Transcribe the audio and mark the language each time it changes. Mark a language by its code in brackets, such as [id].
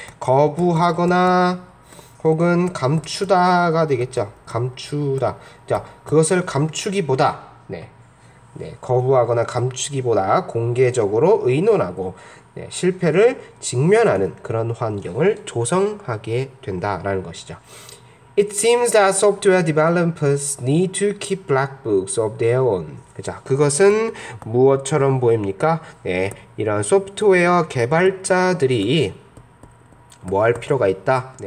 [ko] 거부하거나 혹은 감추다가 되겠죠. 감추다. 자, 그것을 감추기보다 거부하거나 감추기보다 공개적으로 의논하고 실패를 직면하는 그런 환경을 조성하게 된다라는 것이죠. [en] It seems that software developers need to keep black books of their own. [ko] 자, 그것은 무엇처럼 보입니까? 이런 소프트웨어 개발자들이 뭐할 필요가 있다.